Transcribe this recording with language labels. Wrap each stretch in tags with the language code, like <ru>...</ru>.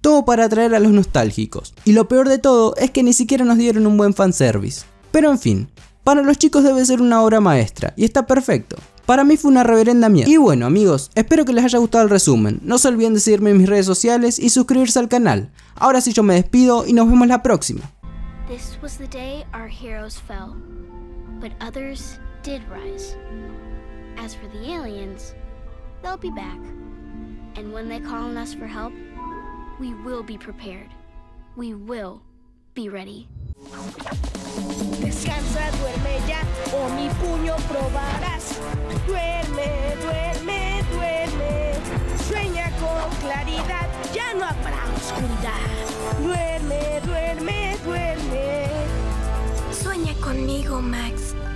<es>Todo para atraer a los nostálgicos. Y lo peor de todo es que ni siquiera nos dieron un buen fanservice. Pero en fin, para los chicos debe ser una obra maestra, y está perfecto. Para mí fue una reverenda mierda. Y bueno amigos, espero que les haya gustado el resumen. No se olviden de seguirme en mis redes sociales y suscribirse al canal. Ahora sí, yo me despido y nos vemos la próxima.</es> <en>This was the day our heroes fell, but others did rise. As for the aliens, they'll be back. And when they call on us for help, we will be prepared. We will be ready.</en> <es>Descansa, duerme ya, o mi puño probarás. Duerme, duerme, duerme. Sueña con claridad, ya no habrá oscuridad. Duerme, duerme, duerme. Sueña conmigo, Max.</es>